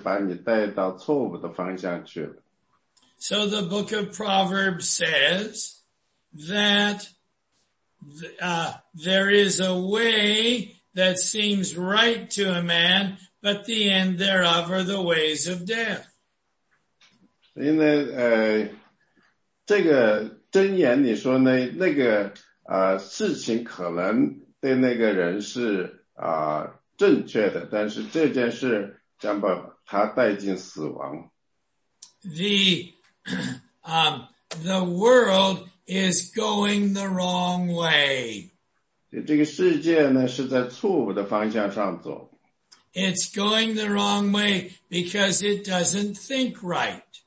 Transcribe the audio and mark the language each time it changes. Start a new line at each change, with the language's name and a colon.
Chinese: 所以他说呢，这个世界的想法呢，通常是把你带到错误的方向去了。
English: So the book of Proverbs says that there is a way that seems right to a man, but the end thereof are the ways of death.
Chinese: 因为这个箴言你说呢，那个事情可能对那个人是正确的，但是这件事将把他带进死亡。
English: The world is going the wrong way.
Chinese: 这个世界呢，是在错误的方向上走。
English: It's going the wrong way because it doesn't think right.